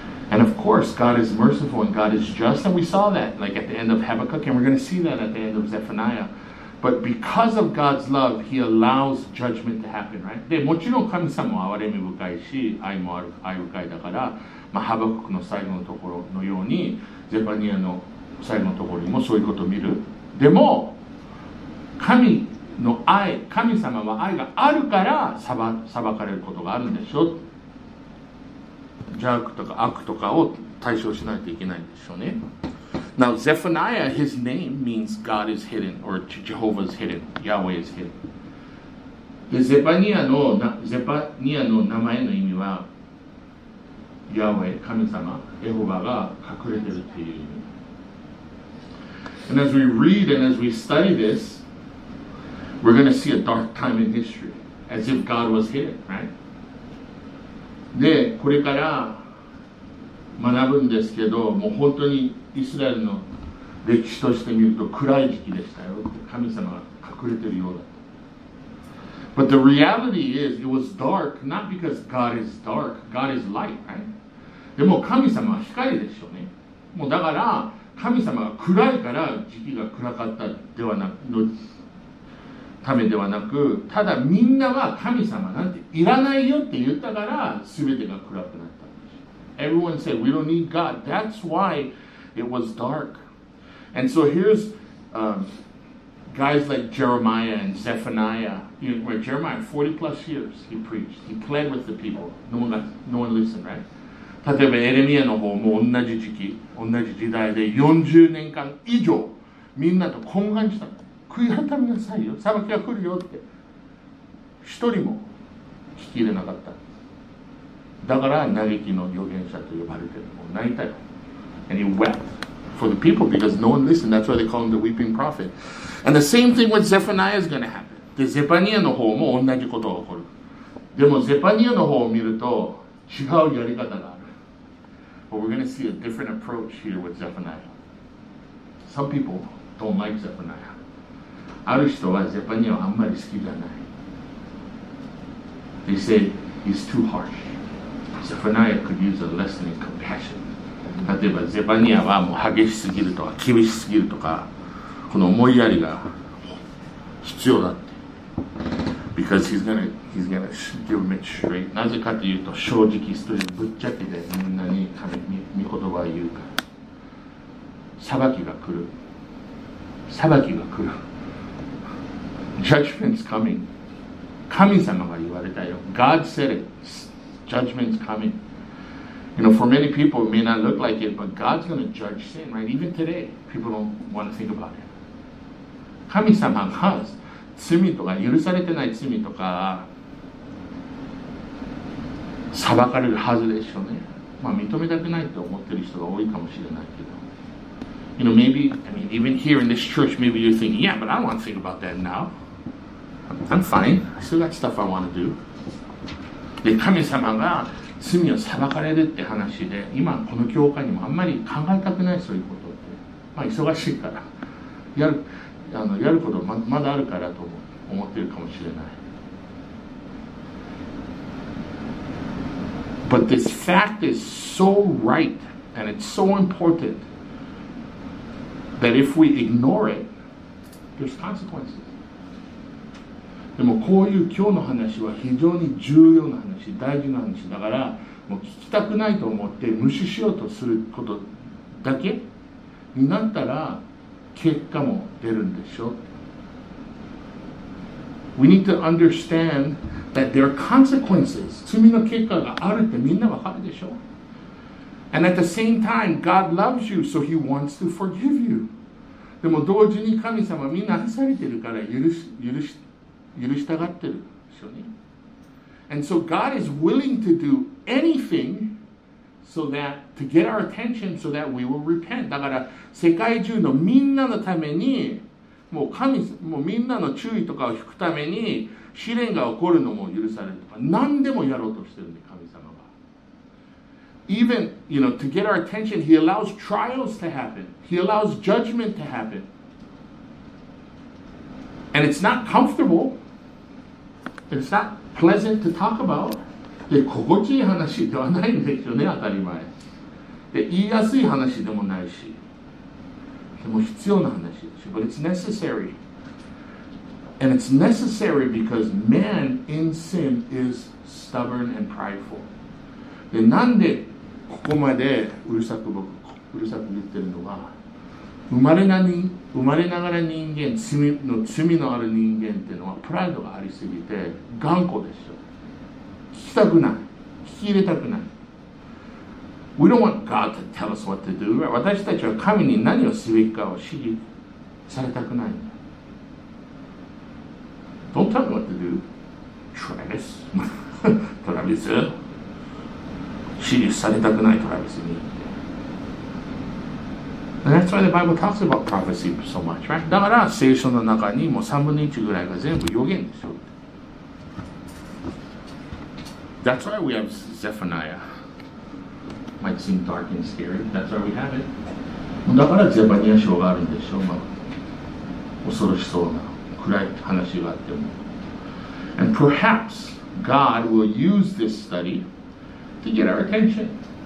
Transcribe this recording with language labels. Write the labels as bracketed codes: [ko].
[en] And of course, God is merciful and God is just, and we saw that, like at the end of Habakkuk, and we're going to see that at the end of Zephaniah. But because of God's love, He allows judgment to happen, right? [ja] で、もちろん神様は憐れみ深いし、愛もある、愛深いだから、まあ、ハバクの最後のところのように、ゼファニアの最後のところにもそういうことを見る。でも、神の愛、神様は愛があるから裁かれることがあるんでしょ。邪悪とか悪とかを対処しないといけないんでしょうね。 [en] Now, Zephaniah, his name means God is hidden, or Jehovah is hidden, Yahweh is hidden. [ja] で、ゼパニアの名前の意味は、Yahweh, 神様、エホバが隠れてるという意味。 [en] And as we read and as we study this, we're going to see a dark time in history, as if God was hidden, right? [ja] で、これから学ぶんですけど、もう本当にイスラエルの歴史として見ると暗い時期でしたよ。神様が隠れてるようだ。 [en] But the reality is, it was dark, not because God is dark, God is light, right? [ja] でも神様は光でしょうね。もうだから、神様が暗いから時期が暗かったではなく、のためではなく、ただみんなは神様なんていらないよって言ったから、すべてが暗くなったんです。 [en] Everyone said, we don't need God. That's why it was dark. And so here's、guys like Jeremiah and Zephaniah. You know, Jeremiah, 40 plus years, he preached. He pled with the people. No one listened, right? [ja] 例えばエレミアの方も同じ時期、同じ時代で40年間以上、みんなと懇願した。悔い改めなさいよ。裁きが来るよって。一人も聞き入れなかった。だから嘆きの預言者と呼ばれているもう泣いたよ。 [en] And he wept for the people because no one listened. That's why they call him the weeping prophet. And the same thing with Zephaniah is going to happen. [ja] で、ゼパニアの方も同じことが起こる。でもゼパニアの方を見ると違うやり方がある。 [en] But we're going to see a different approach here with Zephaniah. Some people don't like Zephaniah. [ja] ある人はゼパニアはあんまり好きじゃない。 [en] They say he's too harsh. Zephaniah could use a lesson in compassion. [ja] 例えばゼパニアはもう激しすぎるとか厳しすぎるとかこの思いやりが必要だって。 [en] Because he's gonna give him it straight. [ja] なぜかというと正直ストレートぶっちゃけでみんなに神に御言葉を言うか。裁きが来る。裁きが来る。 [en] Judgment's coming. [ja] 神様が言われたよ。 [en] God said it. Judgment's coming. You know, for many people it may not look like it, but God's gonna judge sin, right? Even today, people don't want to think about it. [ja] 神様が罪とか許されてない罪とか裁かれるはずでしょうね。まあ認めたくないと思ってる人が多いかもしれないけど。 [en] You know, maybe, I mean, even here in this church, maybe you're thinking, yeah, but I don't want to think about that now. I'm fine. I still got stuff I want to do. [ja] で、神様が罪を裁かれるって話で、今この教会にもあんまり考えたくないそういうことって。まあ忙しいから。やることまだあるからと思っているかもしれない。 [en] But this fact is so right and it's so important that if we ignore it, there's consequences. [ja] でもこういう今日の話は非常に重要な話、大事な話だから、もう聞きたくないと思って無視しようとすることだけになったら、結果も出るんでしょう。 [en] We need to understand that there are consequences. [ja] 罪の結果があるってみんなわかるでしょう。 [en] And at the same time, God loves you, so He wants to forgive you. [ja] でも同時に神様みんな愛されてるから許したがってるでしょうね。 [en] And so God is willing to do anything. So that to get our attention, so that we will repent. [ja] だから世界中のみんなのために、もう神、もうみんなの注意とかを引くために試練が起こるのも許されるとか、何でもやろうとしてるんで神様は。 [en] Even you know to get our attention, He allows trials to happen. He allows judgment to happen. And it's not comfortable. It's not pleasant to talk about. [ja] で心地いい話ではないんですよね、当たり前。で言いやすい話でもないし、でも必要な話でしょ。 [en] But it's necessary. And it's necessary because man in sin is stubborn and prideful. [ja] で、なんでここまでうるさく言ってるのか。生まれながら人間、罪のある人間っていうのはプライドがありすぎて頑固でしょ。聞きたくない。聞き入れたくない。 [en] We don't want God to tell us what to do. [ja] 私たちは神に何をすべきかを指示されたくない。 [en] Don't tell me what to do. Travis. Travis. [ja] 指示されたくない、Travis に。 [en] And that's why the Bible talks about prophecy so much, right? [ja] だから聖書の中にもう3分の1ぐらいが全部予言ですよ。 [en] That's why we have Zephaniah. Might seem dark and scary. That's why we have it. [ja] だからゼパニア書があるんでしょう。まあ、恐ろしそうな暗い話があっても。 [en] And perhaps God will use this study to get our attention.